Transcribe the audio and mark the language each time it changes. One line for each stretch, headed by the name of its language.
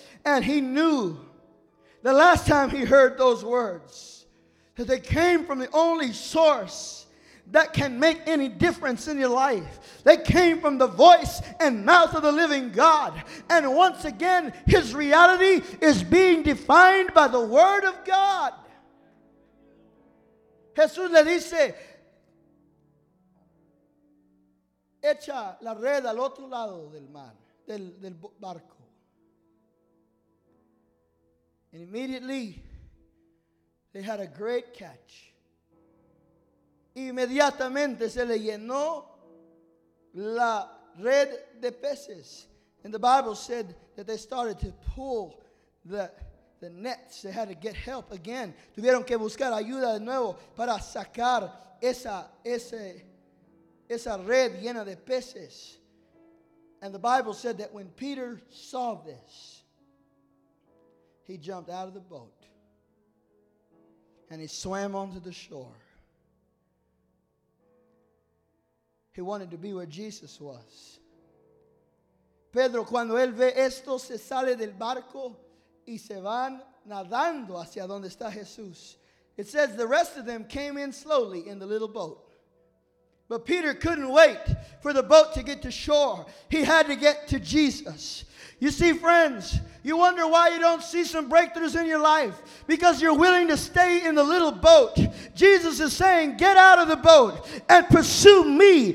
English: And he knew the last time he heard those words that they came from the only source that can make any difference in your life. They came from the voice and mouth of the living God. And once again, his reality is being defined by the word of God.
Spanish: Jesús le dice, echa la red al otro lado del mar, del barco.
English: And immediately, they had a great catch.
Spanish: Inmediatamente se le llenó la red de peces.
English: And the Bible said that they started to pull the nets. They had to get help again.
Spanish: Tuvieron que buscar ayuda de nuevo para sacar esa red llena de peces.
English: And the Bible said that when Peter saw this, he jumped out of the boat and he swam onto the shore. He wanted to be where Jesus was.
Spanish: Pedro, cuando él ve esto, se sale del barco y se van nadando hacia donde está Jesús.
English: It says the rest of them came in slowly in the little boat. But Peter couldn't wait for the boat to get to shore. He had to get to Jesus. You see, friends, you wonder why you don't see some breakthroughs in your life. Because you're willing to stay in the little boat. Jesus is saying, get out of the boat and pursue me.